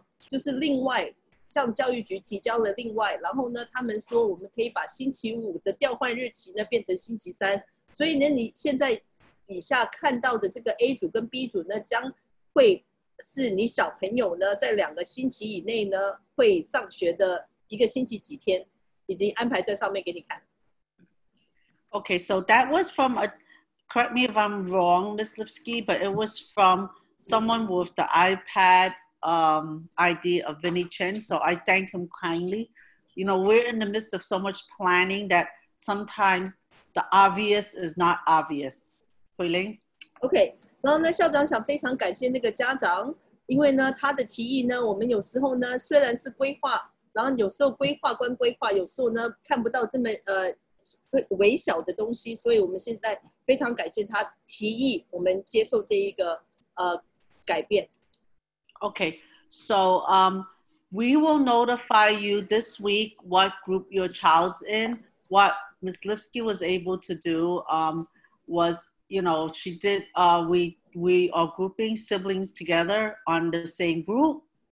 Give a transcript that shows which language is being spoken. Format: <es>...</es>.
<zh>就是另外向教育局提交了另外，然后呢，他们说我们可以把星期五的调换日期呢变成星期三，所以呢，你现在以下看到的这个 A 组跟 B 组呢，将会是你小朋友呢在两个星期以内呢会上学的一个星期几天，已经安排在上面给你看。</zh> <en>Okay, so that was from a, correct me if I'm wrong, Ms. Lipsky, but it was from someone with the iPad ID of Vinnie Chen. So I thank him kindly. You know, we're in the midst of so much planning that sometimes the obvious is not obvious. Hui Ling?</en> <zh>Okay, 然后呢，校长想非常感谢那个家长，因为呢，他的提议呢，我们有时候呢，虽然是规划，然后有时候规划关规划，有时候呢，看不到这么微小的东西，所以我们现在非常感谢他提议我们接受这一个改变。</zh> <en>Okay, so we will notify you this week what group your child's in. What Ms. Lipsky was able to do was, you know, she did. We are grouping siblings together on the same group.</en>